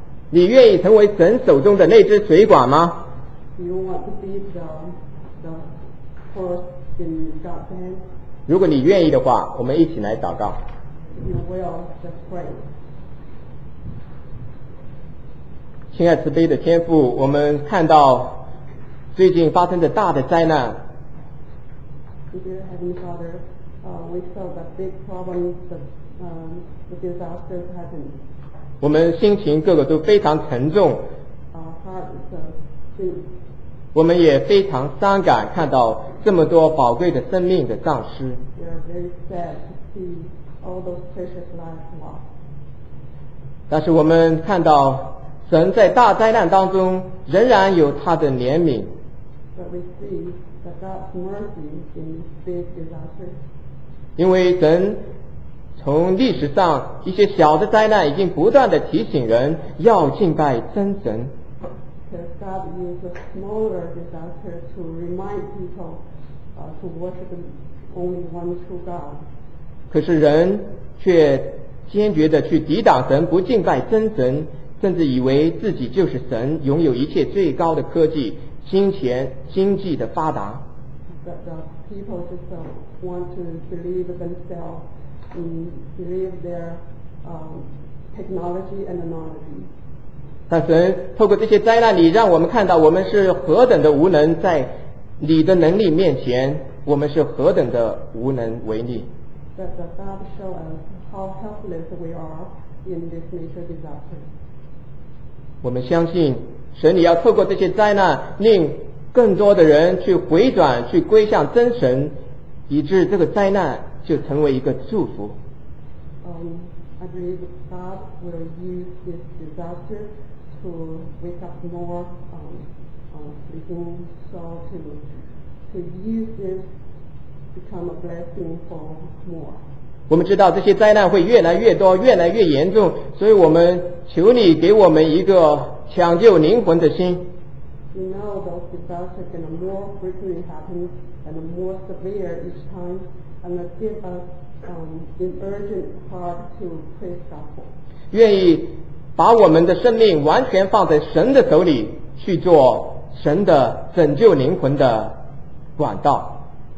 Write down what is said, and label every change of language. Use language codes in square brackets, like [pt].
[zh] 你愿意成为神手中的那只水管吗？ [en] You want to be the first in God's hand? [zh] 如果你愿意的话，我们一起来祷告。 [en] You will just pray. [zh] 亲爱慈悲的天父，我们看到最近发生的大的灾难。 [en] Dear Heavenly Father,we saw the big problems the disasters happened. [zh] 我们心情各个都非常沉重。 [en] Our hearts are sick. [zh] 我们也非常伤感，看到这么多宝贵的生命的丧失。 [en] We are very sad to see all those precious lives lost. [zh] 但是我们看到神在大灾难当中仍然有他的怜悯。 [en] But we see that God's mercy in big disasters. [zh] 因为神从历史上一些小的灾难已经不断地提醒人要敬拜真神。 [en] God used a smaller disaster to remind people to worship only one true God. [zh] 可是人却坚决地去抵挡神，不敬拜真神，甚至以为自己就是神，拥有一切最高的科技、金钱、经济的发达。 [en] People just want to believe themselves and believe their technology and knowledge. [zh] 但神透过这些灾难，你让我们看到我们是何等的无能，在你的能力面前，我们是何等的无能为力。 [en] That God show us how helpless we are in this nature disaster. [zh] 我们相信神，你要透过这些灾难令更多的人去回转，去归向真神，以致这个灾难就成为一个祝福。 [en] I believe God will use this disaster to wake up more people, so to use this become a blessing for more. [zh] 我们知道这些灾难会越来越多，越来越严重，所以我们求你给我们一个抢救灵魂的心。 [en] You know those disasters are going to more frequently happen and more severe each time, and give us an urgent heart to pray for. [zh] 愿意把我们的生命完全放在神的手里，去做神的拯救灵魂的管道。